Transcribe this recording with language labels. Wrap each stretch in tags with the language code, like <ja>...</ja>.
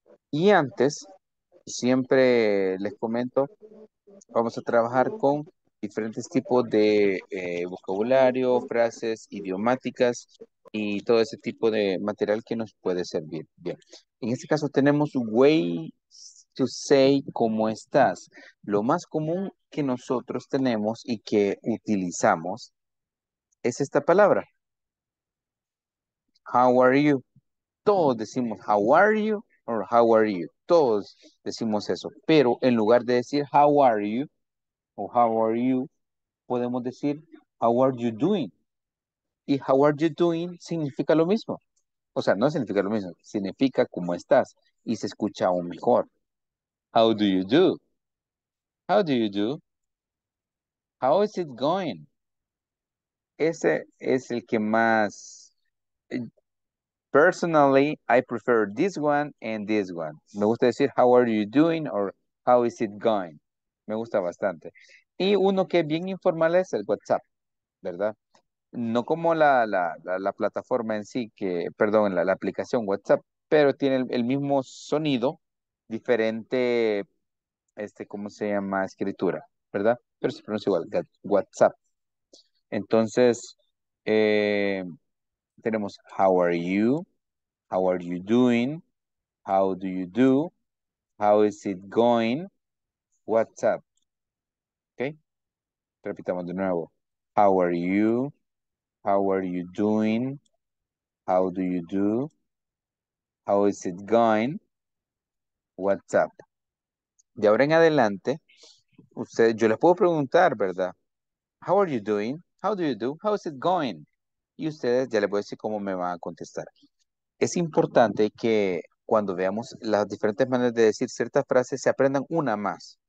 <es>Y antes, siempre les comento, vamos a trabajar con diferentes tipos de vocabulario, frases, idiomáticas y todo ese tipo de material que nos puede servir. Bien, en este caso tenemos</es> <en>way to say</en> <es>cómo estás. Lo más común que nosotros tenemos y que utilizamos es esta palabra.</es> <en>How are you?</en> <es>Todos decimos</es> <en>how are you or how are you.</en> <es>Todos decimos eso. Pero en lugar de decir</es> <en>how are you o how are you,</en> <es>podemos decir</es> <en>how are you doing.</en> <es>Y</es> <en>how are you doing</en> <es>significa lo mismo. O sea, no significa lo mismo, significa cómo estás y se escucha aún mejor.</es> <en>How do you do? How do you do? How is it going?</en> <es>Ese es el que más.</es> <en>Personally, I prefer this one and this one.</en> <es>Me gusta decir,</es> <en>how are you doing or how is it going?</en> <es>Me gusta bastante. Y uno que es bien informal es el WhatsApp, ¿verdad? No como la plataforma en sí, que, perdón, la aplicación WhatsApp, pero tiene el mismo sonido. Diferente ¿cómo se llama? Escritura, ¿verdad? Pero se pronuncia igual, WhatsApp. Entonces, tenemos</es> <en>how are you, how are you doing, how do you do, how is it going, WhatsApp.</en> <es>¿Ok? Repitamos de nuevo.</es> <en>How are you, how are you doing, how do you do, how is it going, WhatsApp.</en> <es>De ahora en adelante, usted, yo les puedo preguntar, ¿verdad?</es> <en>How are you doing? How do you do? How is it going?</en> <es>Y ustedes ya les voy a decir cómo me van a contestar. Es importante que cuando veamos las diferentes maneras de decir ciertas frases, se aprendan una más.</es>